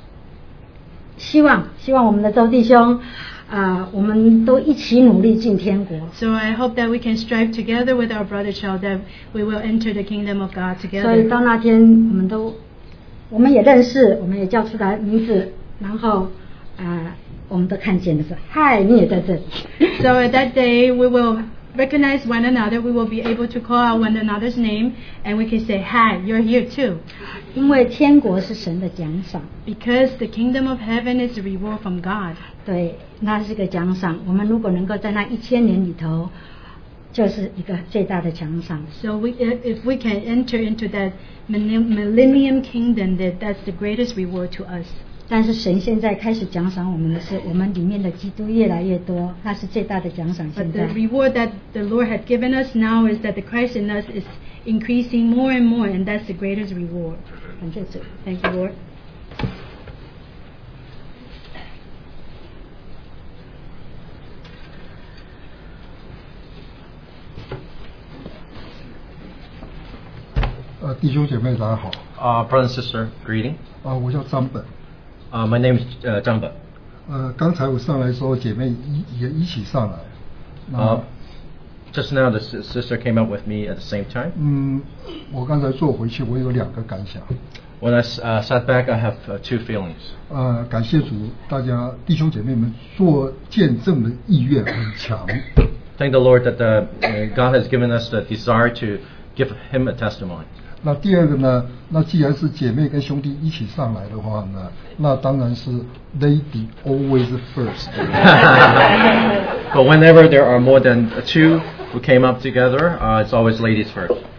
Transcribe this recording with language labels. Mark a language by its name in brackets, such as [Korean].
[Chinese] 我觉得希望我们的周弟兄, 我们都一起努力进天国。 [English] So I hope that we can strive together with our brother Chao, that we will enter the kingdom of God together. [Chinese] 所以到那天我们也认识, 我们也叫出来名字, 然后 [English] So at that day, we will recognize one another. We will be able to call out one another's name, and we can say, "Hi, you're here too." [Chinese] 因为天国是神的奖赏。 [English] Because the kingdom of heaven is a reward from God. [Chinese] 对，那是个奖赏。我们如果能够在那1000年里头。就是一个最大的奖赏。 [English] So if we can enter into that millennium kingdom, that's the greatest reward to us. [Chinese] 但是神现在开始奖赏我们的是, 我们里面的基督越来越多, 那是最大的奖赏现在。 [English] But the reward that the Lord had given us now is that the Christ in us is increasing more and more, and that's the greatest reward. [Chinese] 感谢主。 [English] Thank you, Lord. [Chinese] 弟兄姐妹大家好。 [English] Brother and sister, greeting. [Chinese] 我叫张本。 [English] My name is 张本。 [Chinese] 刚才我上来的时候，姐妹也一起上来。 [English] Just now, the sister came up with me at the same time. [Chinese] 我刚才坐回去，我有两个感想。 [English] When I sat back, I have two feelings. [Chinese] 感谢主，大家弟兄姐妹们做见证的意愿很强。 [English] Thank the Lord that God has given us the desire to give Him a testimony. [Chinese] 那第二个呢？那既然是姐妹跟兄弟一起上来的话呢，那当然是 [English] lady always first. But whenever there are more than two who came up together, it's always ladies first.